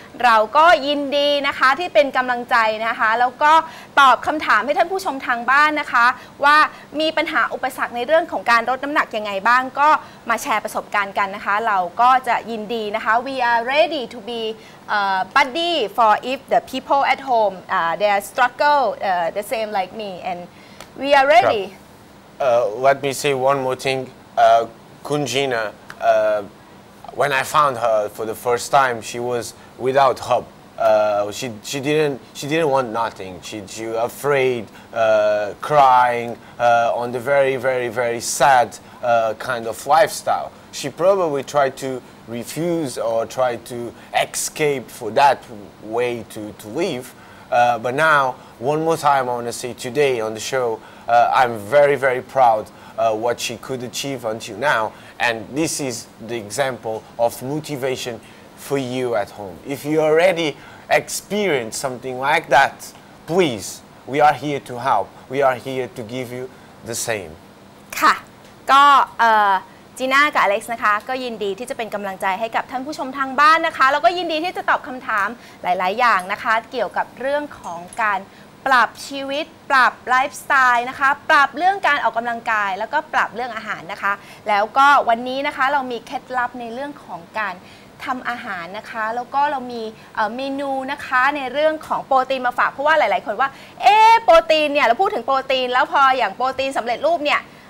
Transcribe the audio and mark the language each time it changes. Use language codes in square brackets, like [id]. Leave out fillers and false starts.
[th] เราก็ยินดีนะคะที่เป็นกำลังใจนะคะแล้วก็ตอบคำถามให้ท่านผู้ชมทางบ้านนะคะว่ามีปัญหาอุปสรรคในเรื่องของการลดน้ำหนักยังไงบ้างก็มาแชร์ประสบการณ์กันนะคะเราก็จะยินดีนะคะ [en] we are ready to be buddy for if the people at home they struggle the same like me andWe are ready. Let me say one more thing. Kunjina, when I found her for the first time, she was without hub. she didn't want nothing. She was afraid, crying on the very, very, very sad kind of lifestyle. She probably tried to refuse or tried to escape for that way to live. But now, one more time, I want to say today on the show, I'm very, very proud what she could achieve until now. And this is the example of motivation for you at home. If you already experienced something like that, please, we are here to help. We are here to give you the same. [th] ค่ะก็จีน่ากับอเล็กซ์นะคะก็ยินดีที่จะเป็นกำลังใจให้กับท่านผู้ชมทางบ้านนะคะแล้วก็ยินดีที่จะตอบคำถามหลายๆอย่างนะคะเกี่ยวกับเรื่องของการปรับชีวิตปรับไลฟ์สไตล์นะคะปรับเรื่องการออกกำลังกายแล้วก็ปรับเรื่องอาหารนะคะแล้วก็วันนี้นะคะเรามีเคล็ดลับในเรื่องของการทำอาหารนะคะแล้วก็เรามีเมนูนะคะในเรื่องของโปรตีนมาฝากเพราะว่าหลายๆคนว่าเอ๊ะโปรตีนเนี่ยเราพูดถึงโปรตีนแล้วพออย่างโปรตีนสำเร็จรูปเนี่ย